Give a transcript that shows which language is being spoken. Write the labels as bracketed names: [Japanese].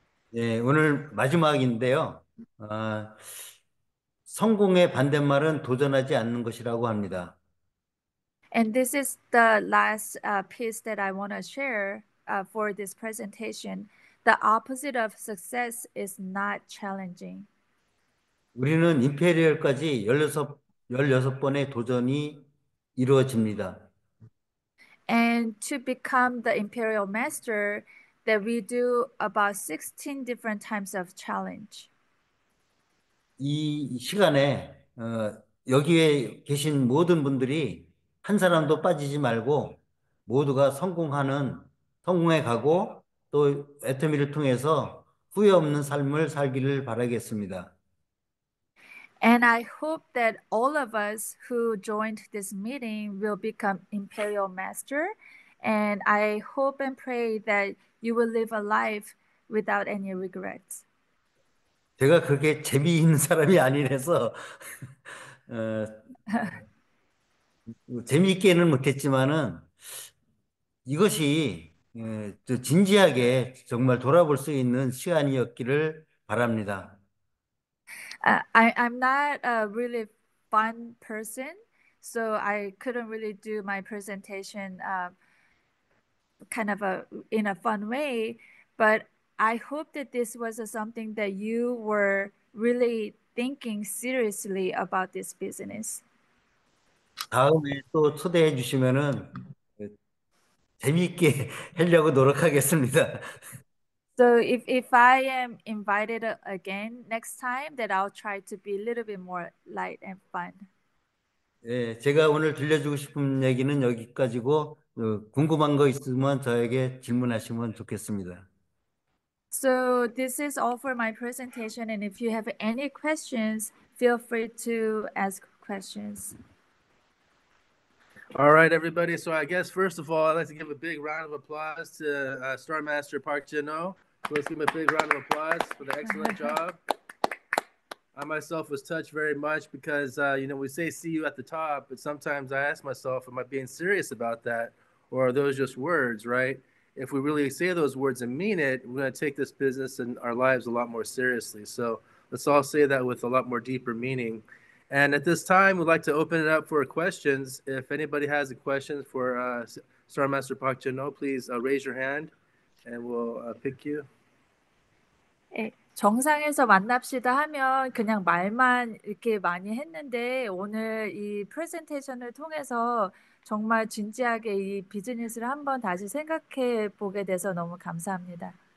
[Korean] 네, 오늘 마지막인데요. 성공의 반대말은 도전하지 않는 것이라고 합니다. [English] And this is the last piece that I want to share for this presentation. The opposite of success is not challenging. [Korean] 우리는 임페리얼까지 16번의 도전이 이루어집니다. [English] And to become the imperial master, that we do about 16 different times of challenge. [Korean] 이 시간에 여기에 계신 모든 분들이 한 사람도 빠지지 말고 모두가 성공해 가고 또 애터미를 통해서 후회 없는 삶을 살기를 바라겠습니다. [English] And I hope that all of us who joined this meeting will become Imperial Master. And I hope and pray that you will live a life without any regrets. [Korean] 제가 그렇게 재미있는 사람이 아니라서 재미있게는 못했지만은 이것이 진지하게 정말 돌아볼 수 있는 시간이었기를 바랍니다. [English] I'm not a really fun person, so I couldn't really do my presentation kind of in a fun way, but I hope that this was something that you were really thinking seriously about this business. [Korean] 다음에 또 초대해 주시면은 재미있게 하려고 노력하겠습니다. [English] So if I am invited again next time, then I'll try to be a little bit more light and fun. [Korean] 예, 제가 오늘 들려주고 싶은 얘기는 여기까지고 궁금한 거 있으면 저에게 질문하시면 좋겠습니다. [English] So this is all for my presentation, and if you have any questions, feel free to ask questions. All right, everybody. So I guess first of all, I'd like to give a big round of applause to Star Master Park Jin-ho. Let's give him a big round of applause for the excellent job. I myself was touched very much because we say see you at the top, but sometimes I ask myself, am I being serious about that, or are those just words, right? If we really say those words and mean it, we're going to take this business and our lives a lot more seriously. So Let's all say that with a lot more deeper meaning. And at this time, we'd like to open it up for questions. If anybody has a question for Star Master Park Jin-ho, please raise your hand and we'll pick you. [Korean] 네, 정상에서 만납시다 하면 그냥 말만 이렇게 많이 했는데 오늘 이 프레젠테이션을 통해서 정말 진지하게 이 비즈니스를 한번 다시 생각해 보게 돼서 너무 감사합니다.